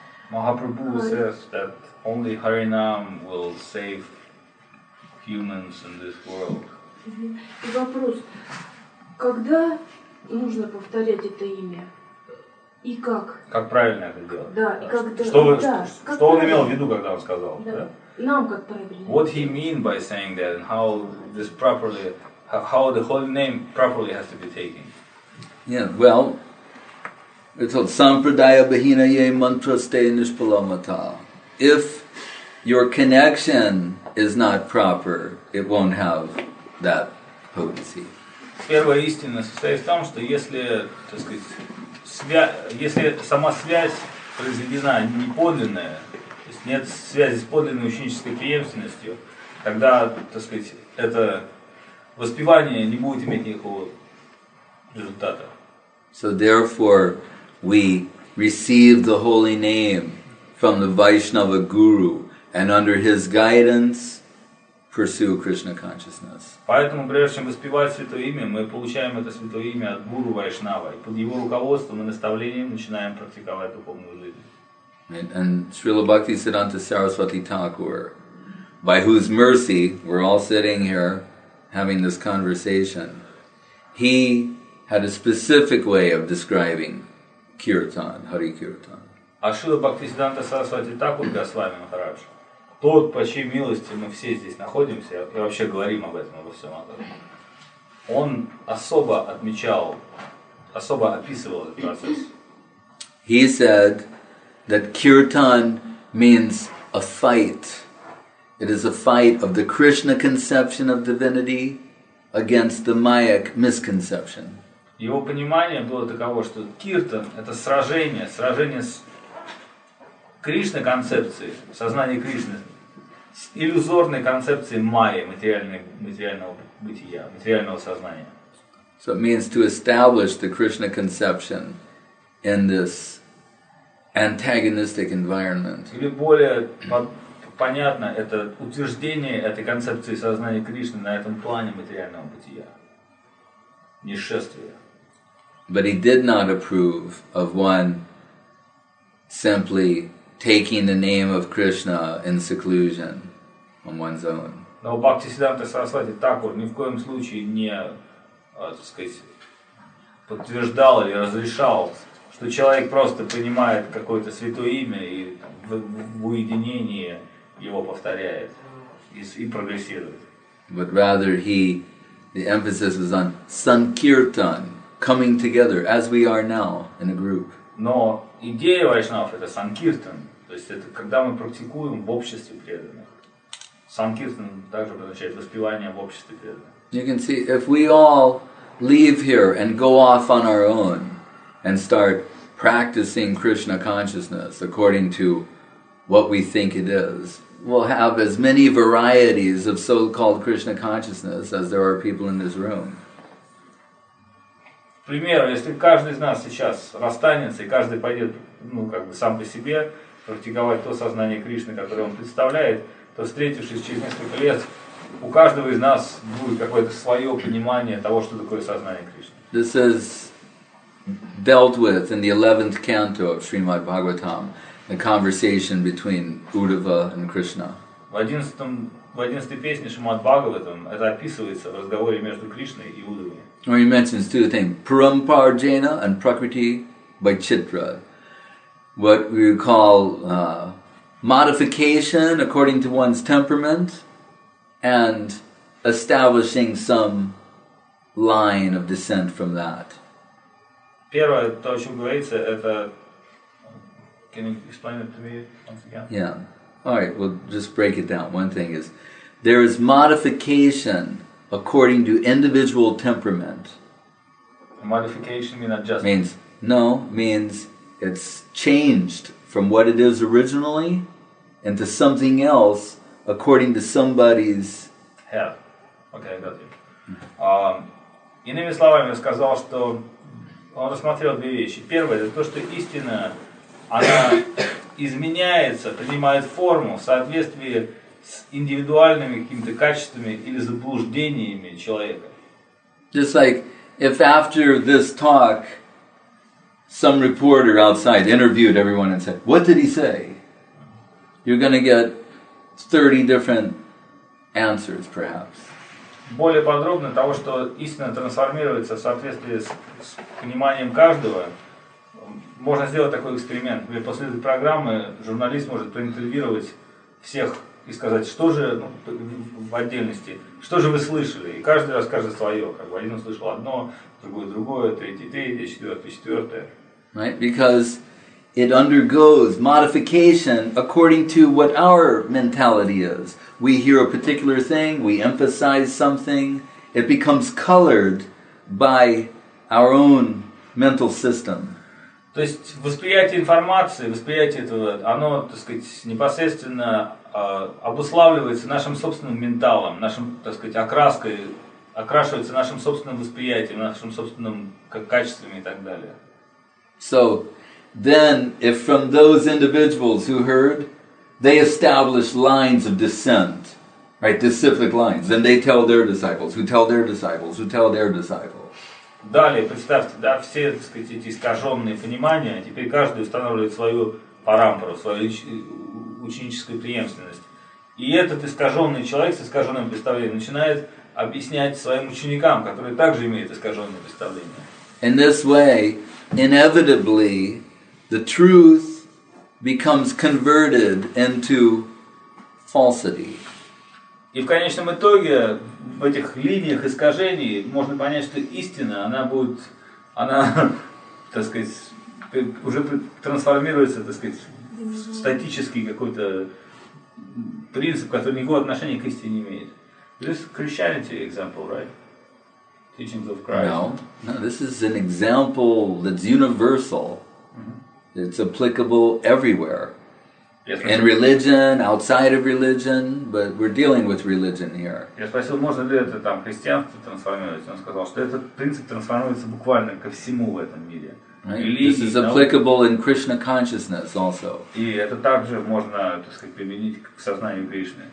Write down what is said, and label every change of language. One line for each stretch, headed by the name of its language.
English: Махапрабху says that only Харинам will save humans in this world.
Russian: И вопрос, когда нужно повторять это имя? И как? Как правильно это делать? Да, и когда... Что, да, что он имел в виду, когда он сказал? Да. Да? Нам как правильно.
English: What he mean by saying that and how this properly, how the holy name properly has to be taken? Yeah, well, it's called
Sanskrit: Sampradaya Bahina Ye Mantra Stay Nishpalamata.
English: If your connection is not proper, it won't have that potency.
Russian: Первая истина состоит в том, что если, так сказать, если сама связь произведена неподлинная, то есть нет связи с подлинной ученической преемственностью, тогда, так сказать, это воспевание не будет иметь никакого результата.
English: So therefore, we receive the holy name from the Vaishnava Guru, and under his guidance, pursue Krishna consciousness.
Russian: Поэтому, прежде чем воспевать святое имя, мы получаем это святое имя от Гуру Вайшнава, и под его руководством и наставлением начинаем практиковать духовную жизнь.
English: And Srila Bhakti Siddhanta Saraswati Thakur, by whose mercy we're all sitting here having this conversation, he had a specific way of describing Kirtan, Hari Kirtan.
Russian: А Шрила Бхактисиддханта Сарасвати Такур Госвами Махарадж, тот, по чьей милости мы все здесь находимся, и вообще говорим об этом, обо всем этом, он особо отмечал, особо описывал этот процесс.
English: He said that Kirtan means a fight. It is a fight of the Krishna conception of divinity against the Mayic misconception.
Russian: Его понимание было таково, что Киртан — это сражение, сражение с Кришной концепцией, сознание Кришны, с иллюзорной концепцией Майи, материального бытия, материального сознания.
English: So it means to establish the Krishna conception in this antagonistic environment.
Russian: Или более понятно, это утверждение этой концепции сознания Кришны на этом плане материального бытия, нисшествия.
English: But he did not approve of one simply taking the name of Krishna in seclusion on one's own.
Russian: Но Бхактисиддханта Сарасвати Такур ни в коем случае не, так сказать, подтверждал или разрешал, что человек просто принимает какое-то святое имя и в уединении его повторяет и прогрессирует.
English: But rather the emphasis was on sankirtan. Coming together as we are now in a group.
Russian: Но идея вайшнав это санкиртан, то есть это когда мы практикуем в обществе преданных. Санкиртан также означает воспевание в обществе преданных.
English: You can see if we all leave here and go off on our own and start practicing Krishna consciousness according to what we think it is, we'll have as many varieties of so-called Krishna consciousness as there are people in this room.
Russian: К примеру, если каждый из нас сейчас расстанется и каждый пойдет, ну, как бы сам по себе практиковать то сознание Кришны, которое он представляет, то встретившись через несколько лет, у каждого из нас будет какое-то свое понимание того, что такое сознание Кришны.
English: This is dealt with in the 11th canto of Srimad Bhagavatam, the conversation between Uddhava and Krishna.
Russian: В одиннадцатой песне Шримад Бхагаватам это описывается в разговоре между Кришной и Уддхавой.
English: Or he mentions two things, Paramparjana and Prakriti by Chitra. What we call modification according to one's temperament and establishing some line of descent from that.
Russian: Первое, то, о чем говорится, это...
English: Can you explain it to me once again? Yeah. All right, we'll just break it down. One thing is, there is modification according to individual temperament. Modification means adjustment. Means it's changed from what it is originally into something else according to somebody's head. Okay, got you.
Russian: Иными словами, я сказал, что он рассмотрел две вещи. Первое, это то, что истина, она изменяется, принимает форму в соответствии с индивидуальными какими-то качествами или заблуждениями человека.
English: Just like if after this talk some reporter outside interviewed everyone and said, what did he say? You're going to get 30 different answers, perhaps.
Russian: Более подробно того, что истина трансформируется в соответствии с пониманием каждого, можно сделать такой эксперимент. После этой программы журналист может проинтервьюировать всех и сказать, что же, ну, в отдельности, что же вы слышали? И каждый расскажет свое. Как бы один услышал одно, другое, третье, четвертое.
English: Right? Because it undergoes modification according to what our mentality is. We hear a particular thing, we emphasize something, it becomes colored by our own mental system.
Russian: То есть восприятие информации, восприятие этого, оно, так сказать, непосредственно обуславливается нашим собственным менталом, нашим, так сказать, окраской, окрашивается нашим собственным восприятием, нашим собственным качествами и так далее.
English: So, then, if from those individuals who heard, they establish lines of descent, right, disciplic lines, then they tell their disciples, who tell their disciples, who tell their disciples.
Russian: Далее, представьте, да, все, так сказать, эти искаженные понимания, теперь каждый устанавливает свою парампору, свою ученическую преемственность. И этот искаженный человек с искаженным представлением начинает объяснять своим ученикам, которые также имеют искаженное представление.
English: In this way, inevitably, the truth becomes converted into falsity.
Russian: И в конечном итоге в этих линиях искажений можно понять, что истина, она будет, она, так сказать, уже трансформируется, так сказать, в статический какой-то принцип, который никакого отношения к истине не имеет.
English: This Christianity example, right? Teachings of Christ. No, this is an example that's universal. Mm-hmm. It's applicable everywhere. In religion, outside of religion, but we're dealing with religion here.
Russian: Я спросил, можно ли это там христианство трансформировать? Он сказал, что этот принцип трансформируется буквально ко всему в этом мире.
English: This is applicable in Krishna consciousness also.
Russian: И это также можно, так сказать, применить к сознанию Кришны.